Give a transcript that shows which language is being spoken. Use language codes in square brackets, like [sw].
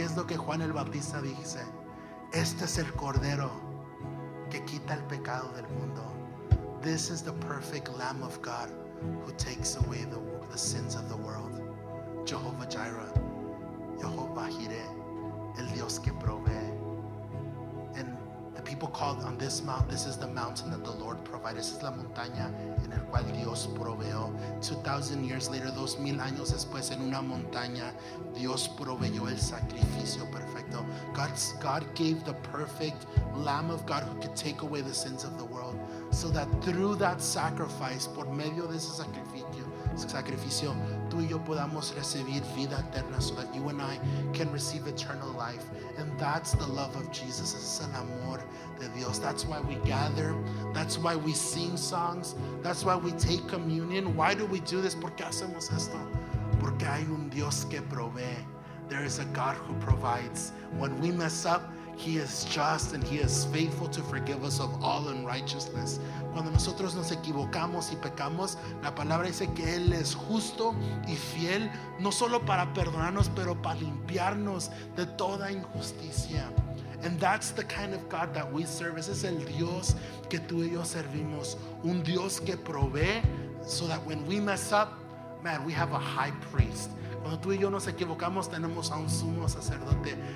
[es] ¿Qué es lo que Juan el Bautista dice? Este es el Cordero que quita el pecado del mundo. [en] This is the perfect Lamb of God who takes away the sins of the world. [es] Jehovah Jireh, Jehovah Jireh, el Dios que provee. [en] And the people called on this mount, this is the mountain that the Lord provided. [es] This is la montaña en el cual Dios proveó. [en] 2,000 years later, [es] 2,000 años después, en una montaña, Dios proveyó el sacrificio perfecto. [en] God gave the perfect Lamb of God who could take away the sins of the world, so that through that sacrifice, [es] por medio de ese sacrificio, tú y yo podamos recibir vida eterna, [en] so that you and I can receive eternal life. And that's the love of Jesus. [es] Es el amor de Dios. [en] That's why we gather. That's why we sing songs. That's why we take communion. Why do we do this? [es] ¿Por qué hacemos esto? Porque hay un Dios que provee. [en] There is a God who provides. When we mess up, He is just and He is faithful to forgive us of all unrighteousness. [es] Cuando nosotros nos equivocamos y pecamos, la palabra dice que Él es justo y fiel, no solo para perdonarnos, pero para limpiarnos de toda injusticia. [en] And that's the kind of God that we serve. [es] Ese es el Dios que tú y yo servimos. Un Dios que provee, [en] so that when we mess up, man, we have a high priest. [es] Cuando tú y yo nos equivocamos, tenemos a un sumo sacerdote.